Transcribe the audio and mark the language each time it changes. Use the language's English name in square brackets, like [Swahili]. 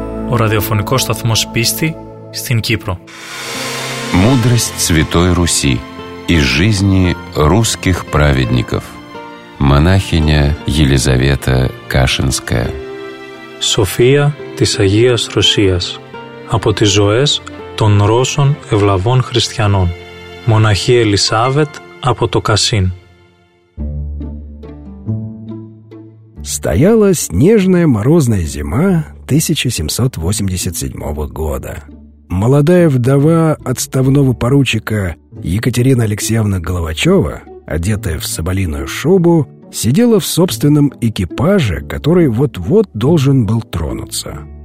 [Greek] Ο ραδιοφωνικός σταθμός πίστη στην Κύπρο. [Russian] Мудрость Святой Руси из жизни русских праведников. Монахиня Елизавета Кашинская. [Greek] София της Αγίας Ρωσίας. Από τις ζωές των Ρώσων ευλαβών χριστιανών. Μοναχή Ελισάβετ από το Κασίν. [Russian] Стояла снежная морозная зима 1787 года. Молодая вдова отставного поручика Екатерина Алексеевна Головачева, одетая в соболиную шубу, сидела в собственном экипаже, который вот-вот должен был тронуться.